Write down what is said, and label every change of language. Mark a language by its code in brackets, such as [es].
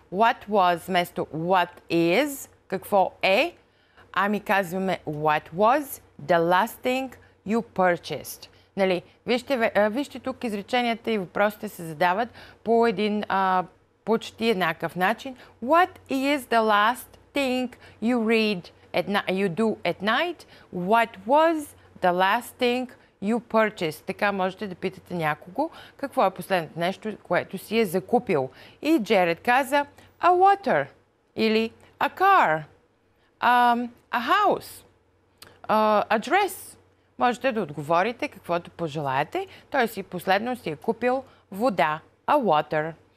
[en] What was вместо what is? [bg] Какво е? Ами казваме [en] what was the last thing you purchased? [bg] Нали? Вижте тук изреченията и въпросите се задават по един почти еднакъв начин. [en] What is the last thing you read you do at night? What was the last thing you purchased? [bg] Така можете да питате някого какво е последното нещо, което си е закупил. И Джеред каза [en] a water или a car, a house, a dress. [bg] Можете да отговорите каквото пожелаете. Той си последно си е купил вода, [en] a water.